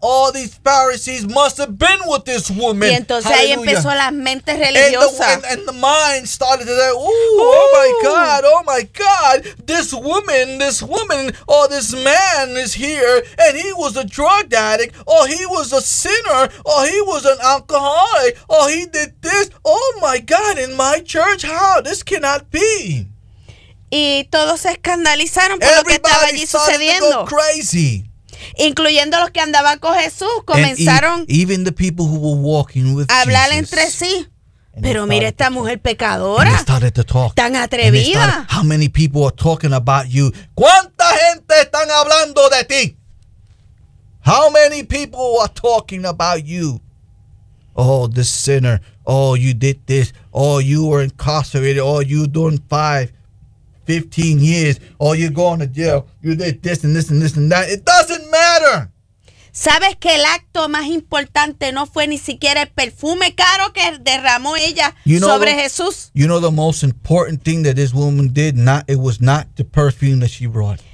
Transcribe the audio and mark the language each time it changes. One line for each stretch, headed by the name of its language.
English: All these Pharisees must have been with this woman.
Spanish: Y entonces, hallelujah, ahí empezó las mentes religiosas.
English: And the mind started to say, ooh, ooh, oh my God, oh my God. This woman, or this man is here, and he was a drug addict, or he was a sinner, or he was an alcoholic, or he did this. Oh my God, in my church, how? This cannot be.
Spanish: Y todos se escandalizaron por
English: everybody
Spanish: lo que estaba allí sucediendo.
English: Crazy.
Spanish: Incluyendo los que andaban con Jesús, comenzaron
English: even the people who were walking with
Spanish: a hablar
English: Jesus
Spanish: entre sí. Pero mira esta mujer pecadora.
English: Started to talk.
Spanish: Tan atrevida.
English: How many people are talking about you? ¿Cuánta gente están hablando de ti? How many people are talking about you? Oh, the sinner. Oh, you did this. Oh, you were incarcerated. Oh, you doing 15 years, or you're going to jail, you did this and this and this and that. It doesn't matter. ¿Sabes que el acto más importante no fue ni siquiera el perfume caro que derramó ella sobre Jesús? You know the most important thing that this woman did, it was not the perfume that she brought.